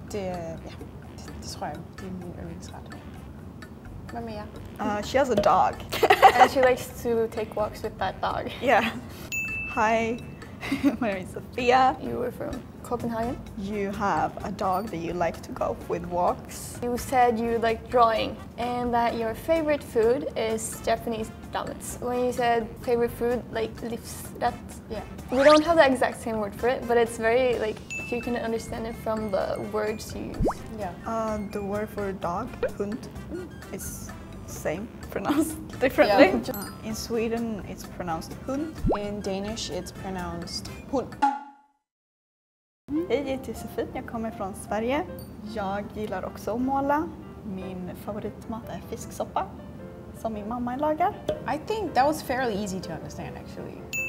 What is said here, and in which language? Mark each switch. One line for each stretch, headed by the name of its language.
Danish: Det tror jeg, det min yndlingsret. Hvad med jer?
English: She has a dog. And she likes to take walks with that dog. Yeah. Hi. My name is Sophia. You were from Copenhagen. You have a dog that you like to go with walks. You said you like drawing and that your favorite food is Japanese donuts. When you said favorite food, like leaves, that's, yeah. We don't have the exact same word for it, but it's very, like, if you can understand it from the words you use. Yeah. The word for dog, hund, is same, pronounced differently. Yeah. In Sweden, it's pronounced hund. In Danish, it's pronounced hund.
Swedish: Hej, jag heter Sofie. Jag kommer från Sverige. Jag gillar också att måla. Min favoritmat fisksoppa, som min mamma lagar.
English: I think that was fairly easy to understand, actually.